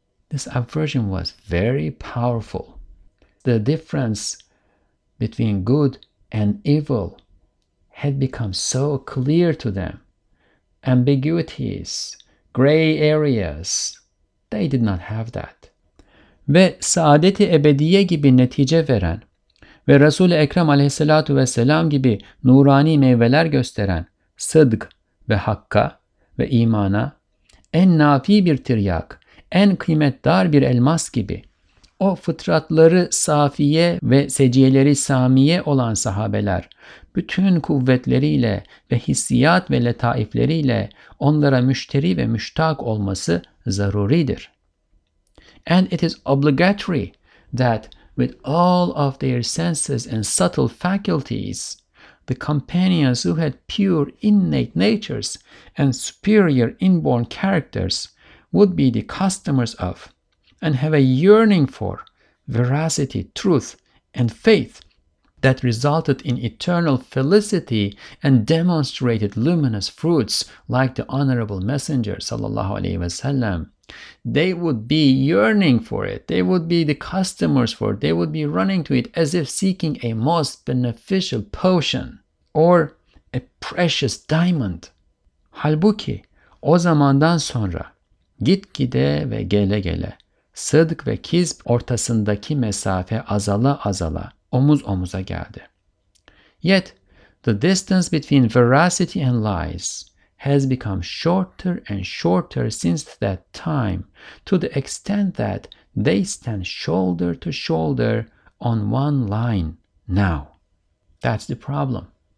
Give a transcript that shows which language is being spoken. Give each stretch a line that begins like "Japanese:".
English: This aversion was very powerful. The difference between good and evil had become so clear to them. Ambiguities, gray areas, they did not have that.
Turkish: Ve saadeti ebediye gibi netice veren ve Resul-i Ekrem aleyhissalatu vesselam gibi nurani meyveler gösteren sıdk ve hakka ve imana en nafi bir tiryak, en kıymetdar bir elmas gibi o fıtratları safiye ve seciyeleri samiye olan sahabeler bütün kuvvetleriyle ve hissiyat ve letaifleriyle onlara müşteri ve müştak olması zaruridir.
English: And it is obligatory that with all of their senses and subtle faculties, the companions who had pure innate natures and superior inborn characters would be the customers of and have a yearning for veracity, truth, and faith that resulted in eternal felicity and demonstrated luminous fruits like the Honorable Messenger sallallahu alaihi wasallam. They would be yearning for it. They would be the customers for it. They would be running to it as if seeking a most beneficial potion or a precious diamond.
Turkish: Halbuki o zamandan sonra gitgide ve gele gele sıdk ve kizb ortasındaki mesafe azala azala omuz omuza geldi.
English: Yet the distance between veracity and lies has become shorter and shorter since that time, to the extent that they stand shoulder to shoulder on one line now. That's the problem.